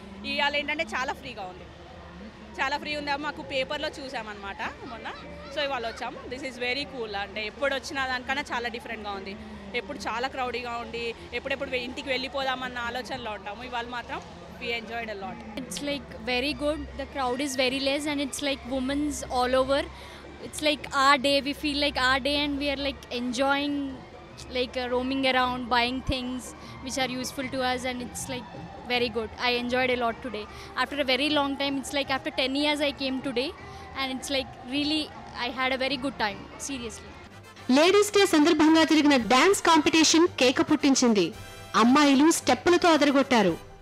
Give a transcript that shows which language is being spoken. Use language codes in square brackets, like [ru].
[te] ఇవాళ ఏంటంటే చాలా ఫ్రీగా ఉంది, చాలా ఫ్రీ ఉంది. మాకు పేపర్లో చూసామన్నమాట మొన్న, సో ఇవాళ వచ్చాము. [en] This is very cool. [te] అంటే ఎప్పుడు వచ్చినా దానికన్నా చాలా డిఫరెంట్గా ఉంది. ఎప్పుడు చాలా క్రౌడీగా ఉండి ఎప్పుడెప్పుడు ఇంటికి వెళ్ళిపోదామన్న ఆలోచనలో ఉంటాము, ఇవాళ మాత్రం [en] We enjoyed a lot. It's like very good, the crowd is very less and it's like women's all over. it's like our day, we feel like our day, and we are like enjoying, like roaming around, buying things which are useful to us, and it's like very good. I enjoyed a lot today. After a very long time, it's like after 10 years I came today, and it's like really, I had a very good time, seriously. [te] Ladies Day సందర్భంగా జరిగిన dance competition కేక పుట్టించింది. అమ్మాయిలు స్టెప్పులతో అదరగొట్టారు.